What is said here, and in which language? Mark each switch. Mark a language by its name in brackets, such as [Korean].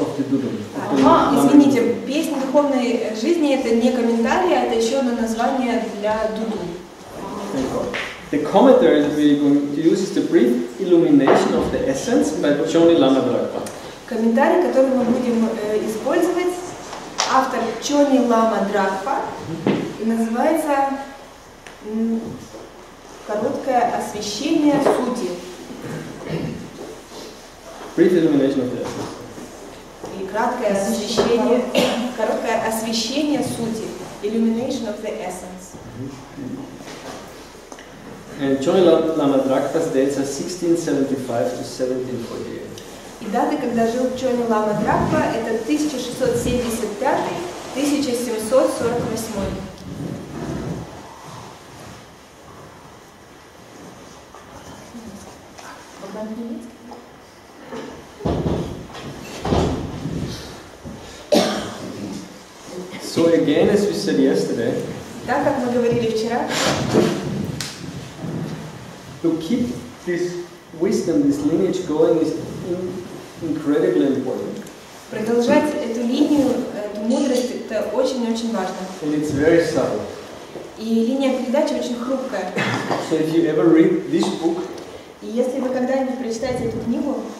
[Russian] Извините, песня духовной жизни — это не комментарий, а это еще одно название для дуду. [English] The commentary that we're going to use is the brief illumination of the essence by Choni Lama Drakpa. [Russian] Комментарий, который мы будем использовать, автор Чони Лама Дракпа, называется «Короткое освещение сути». [English] Brief illumination of the essence. [Russian] Или краткое освещение, короткое освещение сути. [English] Illumination of the essence. And Choni Lama Drakpa's dates are 1675 to 1748. [Russian] И даты, когда жил Чони Лама Дракпа, это 1675-1748. [English] So again, as we said yesterday. [Russian] Так, как мы говорили вчера. [English] To keep this wisdom, this lineage going is incredibly important. [Russian] Продолжать эту линию, эту мудрость, это очень-очень важно. [English] And it's very subtle. [Russian] И линия передачи очень хрупкая. [English] So if you ever read this book, [Russian] и если вы когда-нибудь прочитаете эту книгу,